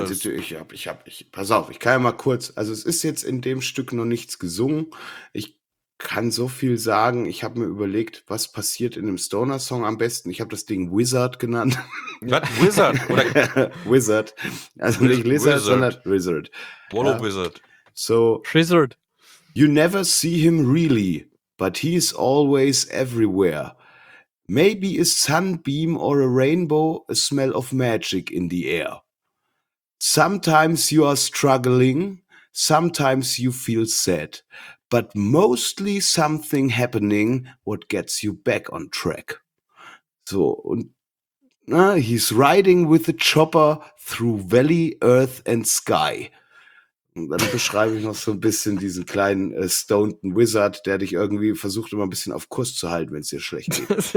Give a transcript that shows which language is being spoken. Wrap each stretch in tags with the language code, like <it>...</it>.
<de>Nein, pass auf, ich kann ja mal kurz. Also es ist jetzt in dem Stück noch nichts gesungen. Ich kann so viel sagen. Ich habe mir überlegt, was passiert in einem Stoner-Song am besten. Ich habe das Ding Wizard genannt. Was? Wizard? Oder? Wizard. Also nicht Lizard, sondern Wizard. Bolo Wizard. So. Wizard.</de> <en>You never see him really. But he's always everywhere. Maybe a sunbeam or a rainbow, a smell of magic in the air. Sometimes you are struggling, sometimes you feel sad, but mostly something happening, what gets you back on track.</en> <de>So, und na,</de> <en>he's riding with a chopper through valley, earth and sky.</en> <de>Und dann beschreibe ich noch so ein bisschen diesen kleinen stoneden Wizard, der dich irgendwie versucht, immer ein bisschen auf Kurs zu halten, wenn es dir schlecht geht.</de>